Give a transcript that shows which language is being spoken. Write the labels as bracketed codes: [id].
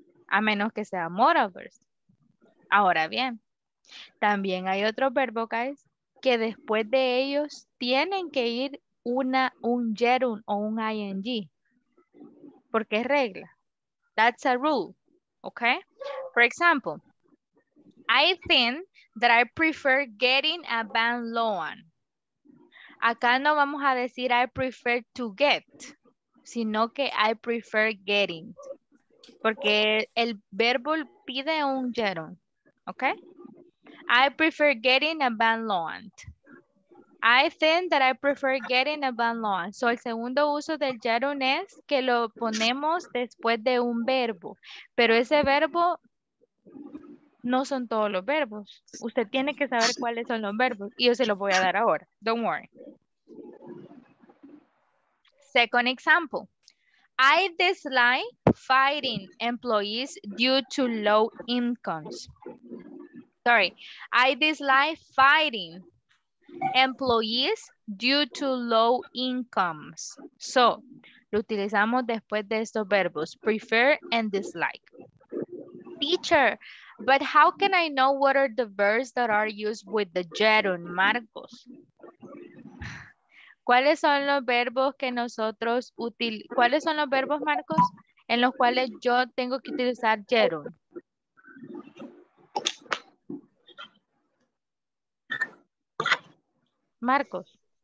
[es] A menos que sea modal verbs. Ahora bien, también hay otro verbo, guys, que después de ellos tienen que ir un gerund o un ing, porque es regla. [en] That's a rule, okay? For example, I think that I prefer getting a bank loan. [es] Acá no vamos a decir [en] I prefer to get, [es] sino que [en] I prefer getting, [es] porque el verbo pide un gerund, okay? [en] I prefer getting a bank loan. I think that I prefer getting a bank loan. [es] So, el segundo uso del gerund es que lo ponemos después de un verbo. Pero ese verbo no son todos los verbos. Usted tiene que saber cuáles son los verbos. Y yo se los voy a dar ahora. [en] Don't worry. Second example. I dislike firing employees due to low incomes. Sorry. I dislike firing employees due to low incomes. [es] So, lo utilizamos después de estos verbos, prefer and dislike. [en] Teacher, but how can I know what are the verbs that are used with the gerund, Marcos? [es] ¿Cuáles son los verbos que nosotros utilizamos? ¿Cuáles son los verbos, Marcos, en los cuales yo tengo que utilizar gerund? Marcos.